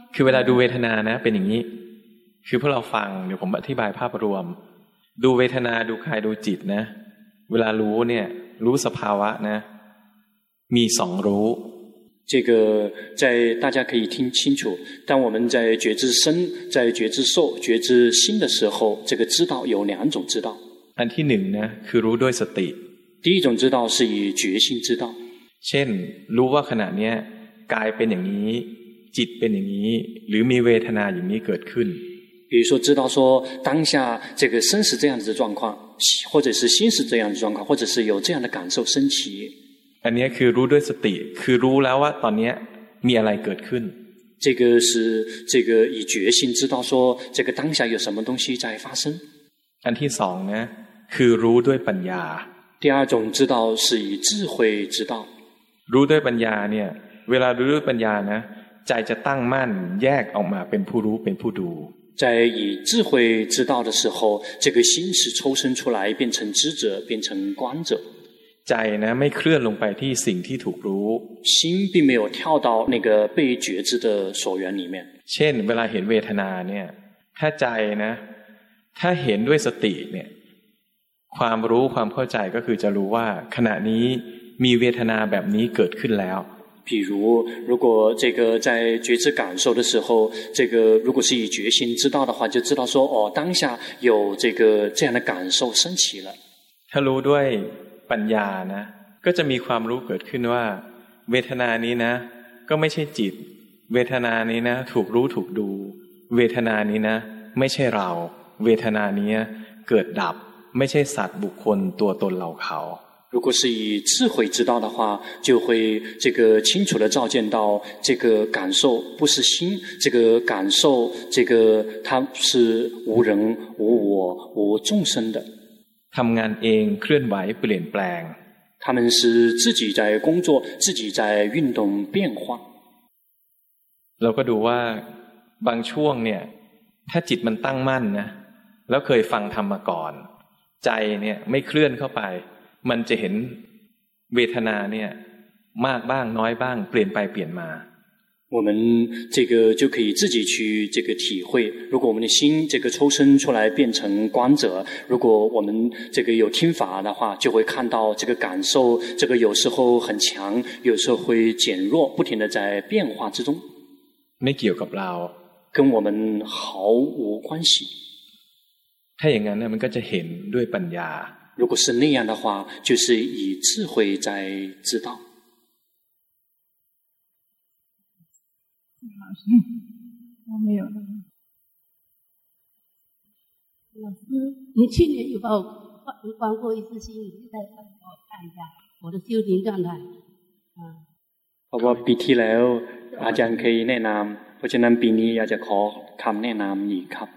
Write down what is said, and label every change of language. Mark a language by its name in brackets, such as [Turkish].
[Thai] คือเวลาดูเวทนานะเป็นอย่างนี้คือพวกเราฟังเดี๋ยวผมอธิบายภาพรวมดูเวทนาดูกายดูจิตนะเวลารู้เนี่ยรู้สภาวะนะมี2รู้ [Chinese] 这个在大家可以听清楚当我们在觉知身在觉知受觉知心的时候这个知道有两种知道 [Thai] อันที่หนึ่งนะคือรู้ด้วยสติ [Chinese] 第一种知道是以觉性知道 [Thai] เช่นรู้ว่าขณะนี้กายเป็นอย่างนี้จิตเป็นอย่างนี้หรือมีเวทนาอย่างนี้เกิดขึ้น [Chinese] 比如说知道说当下这个身是这样子的状况或者是心是这样的状况或者是有这样的感受升起 [Thai] อันนี้คือรู้ด้วยสติคือรู้แล้วว่าตอนนี้มีอะไรเกิดขึ้น [Chinese] 这个是这个以决心知道说这个当下有什么东西在发生 [Thai] อันที่สองนะคือรู้ด้วยปัญญา [Chinese] 第二种知道是以智慧知道 [Thai] รู้ด้วยปัญญาเนี่ยเวลารู้ด้วยปัญญานะใจจะตั้งมั่นแยกออกมาเป็นผู้รู้เป็นผู้ดู [Chinese] 在以智慧知道的时候这个心是抽身出来变成知者变成观者 [Thai] ใจนะไม่เคลื่อนลงไปที่สิ่งที่ถูกรู้ [Chinese] 心并没有跳到那个被觉知的所缘里面 [Thai] เช่นเวลาเห็นเวทนาเนี่ยถ้าใจนะถ้าเห็นด้วยสติเนี่ยความรู้ความเข้าใจก็คือจะรู้ว่าขณะนี้มีเวทนาแบบนี้เกิดขึ้นแล้ว [Chinese] 比如如果这个在觉知感受的时候这个如果是以觉心知道的话就知道说哦当下有这个这样的感受升起了 [Thai] ถ้ารู้ด้วยปัญญานะก็จะมีความรู้เกิดขึ้นว่าเวทนานี้นะก็ไม่ใช่จิตเวทนานี้นะถูกรู้ถูกดูเวทนานี้นะไม่ใช่เราเวทนานี้เกิดดับไม่ใช่สัตว์บุคคลตัวตนเราเขา [Chinese] 如果是以智慧知道的话就会这个清楚的照见到这个感受不是心这个感受这个它是无人无我无众生的 [Thai] ทำงานเองเคลื่อนไหวเปลี่ยนแปลง [Chinese] 他们是自己在工作自己在运动变化 [Thai] เราก็ดูว่าบางช่วงเนี่ยถ้าจิตมันตั้งมั่นนะแล้วเคยฟังธรรมมาก่อนใจเนี่ยไม่เคลื่อนเข้าไปมันจะเห็นเวทนาเนี่ยมากบ้างน้อยบ้างเปลี่ยนไปเปลี่ยนมา [Chinese] 我们这个就可以自己去这个体会如果我们的心这个抽身出来变成观者如果我们这个有听法的话就会看到这个感受这个有时候很强有时候会减弱不停的在变化之中 [Thai] ไม่เกี่ยวกับเรา [Chinese] 跟我们毫无关系 [Thai] ถ้าอย่างนั้นมันก็จะเห็นด้วยปัญญา [Chinese] 如果是那样的话就是以智慧在知道我没有了老师你去年有帮我关过一次心你现在帮我看一下我的修行状态好不好比起来 [Thai] อาจารย์เคยแนะนำเพราะฉะนั้นปีนี้อยากจะขอคำแนะนำอีกครับ